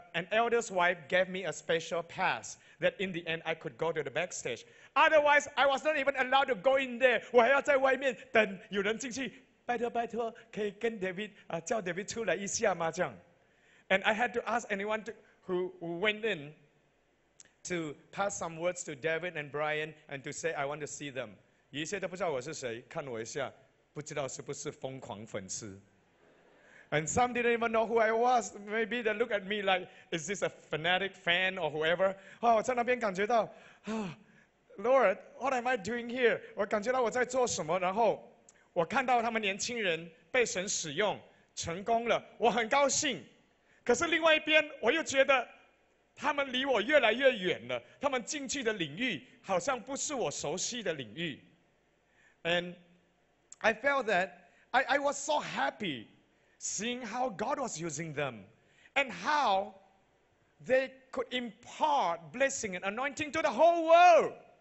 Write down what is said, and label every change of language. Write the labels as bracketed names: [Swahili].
[English] elder's wife gave me a special pass that in the end I could go to the backstage otherwise I was not even allowed to go in there [Chinese] 我还要在外面等有人进去拜托拜托可以跟 David、叫 David 出来一下吗这样 [English] And I had to ask anyone who went in to pass some words to David and Brian and to say, I want to see them. [Chinese] 有一些都不知道我是谁，看我一下，不知道是不是疯狂粉丝。 [English] And some didn't even know who I was. Maybe they look at me like, is this a fanatic fan or whoever? Oh, [Chinese] 我在那边感觉到, [English] Lord, what am I doing here? [Chinese] 我感觉到我在做什么, 然后我看到他们年轻人被神使用, 成功了, 我很高兴。可是另外一边我又觉得, 他们离我越来越远了, 他们进去的领域, 好像不是我熟悉的领域。 [English] And I felt that I was so happy seeing how God was using them and how they could impart blessing and anointing to the whole world.